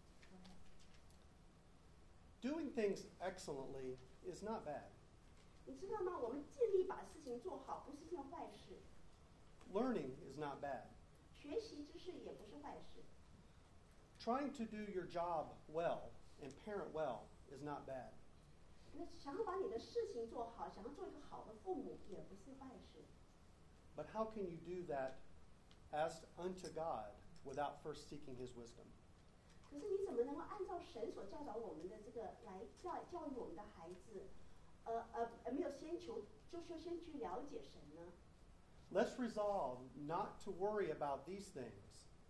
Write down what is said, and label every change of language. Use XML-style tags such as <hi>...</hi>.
<zh>那刚才泰里弟兄又强调说，下面两句非常重要，所以结论就是你们要先求他的国和他的义，而这一切其他的东西都要加给你们了。那么，所以你们不要为明天忧虑，因为明天自有明天的忧虑，一天的难处一天当就行了。Doing</zh> <en>things excellently is not bad.</en> <zh>你知道吗？我们尽力把事情做好不是件坏事。Learning</zh> <en>is not bad.</en> <zh>学习知识也不是坏事。Trying</zh> <en>to do your job well and parent well is not bad.</en> <zh>想要把你的事情做好，想要做一个好的父母也不是坏事。But</zh> <en>how can you do that as unto God without first seeking His wisdom?</en> <zh>可是你怎么能够按照神所教导我们的这个来教育我们的孩子？没有先求，就说先去了解神呢。</zh> <en>Let's resolve not to worry about these things.</en>